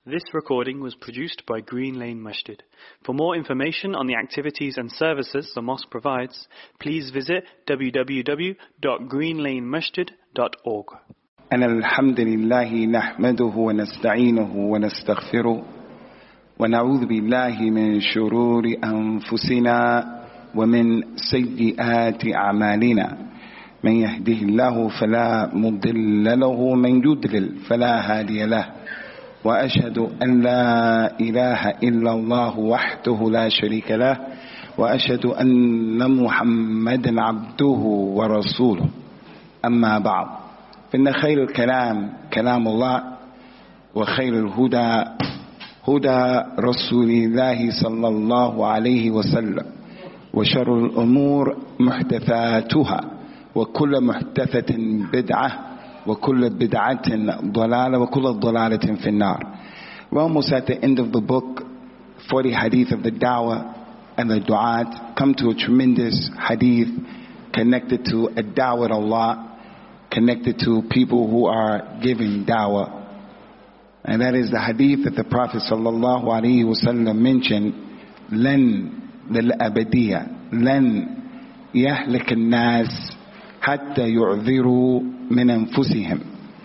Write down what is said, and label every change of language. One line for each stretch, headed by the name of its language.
English: This recording was produced by Green Lane Masjid. For more information on the activities and services the mosque provides, please visit www.greenlanemasjid.org.
Arabic: أن الحمد لله نحمده ونستعينه ونستغفره ونعوذ بالله من شرور أنفسنا ومن سيئات أعمالنا من يهده الله فلا مضل له من يضلل فلا هادي له وأشهد أن لا إله إلا الله وحده لا شريك له وأشهد أن محمدا عبده ورسوله أما بعد فإن خير الكلام كلام الله وخير الهدى هدى رسول الله صلى الله عليه وسلم وشر الأمور محدثاتها وكل محدثة بدعة وكل بدعة ضلالة وكل ضلالة في النار.
English: We're almost at the end of the book, 40 hadith of the da'wah and the du'at. Come to a tremendous hadith connected to a da'wah to Allah, connected to people who are giving da'wah. And that is the hadith that the Prophet sallallahu alayhi wa sallam mentioned,
Arabic: لَنْ لِلْأَبَدِيَةِ لَنْ يَهْلِكَ النَّاسِ حَتَّى يُعْذِرُوا مِنْ أَنفُسِهِمْ.